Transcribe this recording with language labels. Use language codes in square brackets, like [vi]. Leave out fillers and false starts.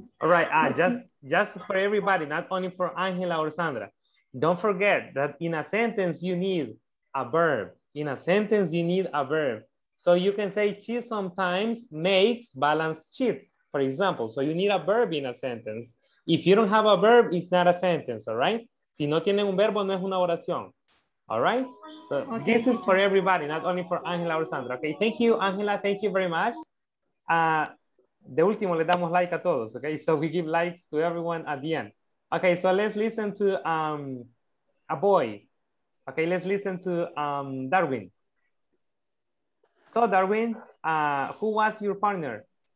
[en] All right, just for everybody, not only for Angela or Sandra, don't forget that in a sentence, you need a verb. In a sentence, you need a verb. So you can say, she sometimes makes balance sheets, for example. So you need a verb in a sentence. If you don't have a verb, it's not a sentence, all right? [es] Si no tienen un verbo, no es una oración, [en] all right? So okay, this is for everybody, not only for Angela or Sandra. Okay, thank you, Angela. Thank you very much. [es] De último, le damos like a todos. [en] Okay, so we give likes to everyone at the end. Okay, so let's listen to a boy. Okay, let's listen to Darwin. So Darwin, who was your partner?